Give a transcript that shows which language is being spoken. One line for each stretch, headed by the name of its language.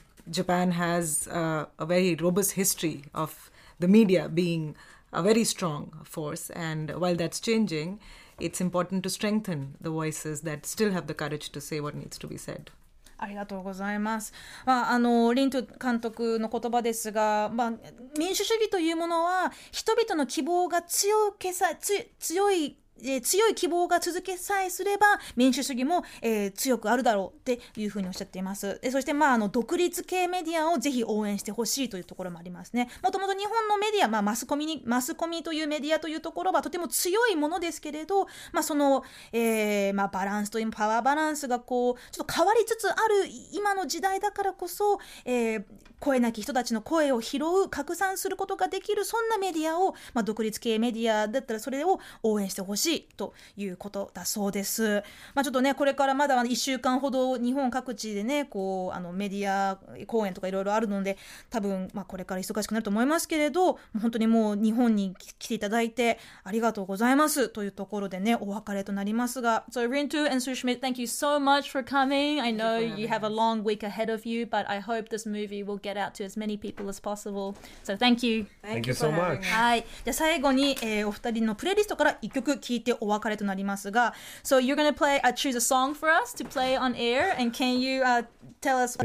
English: Japan has a very robust history of the media being a very strong force, and while that's changing, it's important to strengthen the voices that still have the courage to say what needs to be said.
Japanese: ありがとうございます。リントゥ監督の言葉ですが、民主主義というものは人々の希望が強い希望が続けさえすれば民主主義も、強くあるだろうっていうふうにおっしゃっています。そして、独立系メディアをぜひ応援してほしいというところもありますね。もともと日本のメディア、マスコミというメディアというところはとても強いものですけれど、バランスというパワーバランスがこうちょっと変わりつつある今の時代だからこそ、声なき人たちの声を拾う、拡散することができる、そんなメディアを、独立系メディアだったらそれを応援してほしいということだそうです。ちょっとね、これからまだ1週間ほど日本各地でね、こうメディア公演とかいろいろあるので、多分、これから忙しくなると思いますけれど、本当にもう日本に来ていただいてありがとうございますというところでね、お別れとなりますが。
English: So Rintu and Sushmit, thank you so much for coming. I know you have a long week ahead of you, but I hope this movie will get out to as many people as possible. So thank you. Thank you so much.
Japanese: はい、じゃあ最後に、お二人のプレイリストから一曲聞いてお別れとなりますが、
English: So you're gonna play a choose a song for us to play on air, and can you tell us?